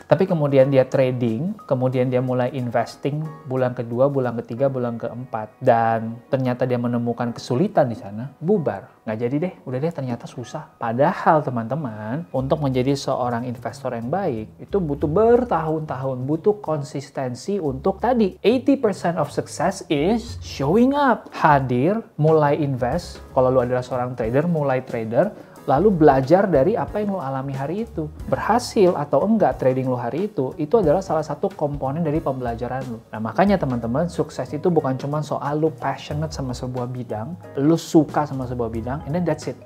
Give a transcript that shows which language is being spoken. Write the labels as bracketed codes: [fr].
[id] Tapi kemudian dia trading, kemudian dia mulai investing bulan kedua, bulan ketiga, bulan keempat. Dan ternyata dia menemukan kesulitan di sana, bubar. Nggak jadi deh, udah deh ternyata susah. Padahal teman-teman, untuk menjadi seorang investor yang baik, itu butuh bertahun-tahun, butuh konsistensi untuk tadi. [en] 80% of success is showing up. [id] Hadir, mulai invest, kalau lu adalah seorang trader, mulai trader, lalu belajar dari apa yang lu alami hari itu. Berhasil atau enggak trading lu hari itu adalah salah satu komponen dari pembelajaran lu. Nah makanya teman-teman, sukses itu bukan cuma soal lu passionate sama sebuah bidang, lu suka sama sebuah bidang, [en] and then that's it.